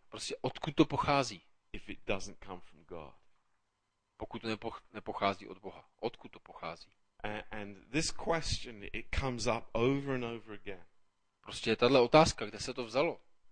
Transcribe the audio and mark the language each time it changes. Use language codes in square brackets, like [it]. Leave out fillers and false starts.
[cs] Prostě odkud to pochází? [en] If it doesn't come from God. [cs] Pokud to nepochází od Boha. Odkud to pochází? [en] And this question, it comes up over and over again. [cs] Prostě je tato otázka, kde se to vzalo?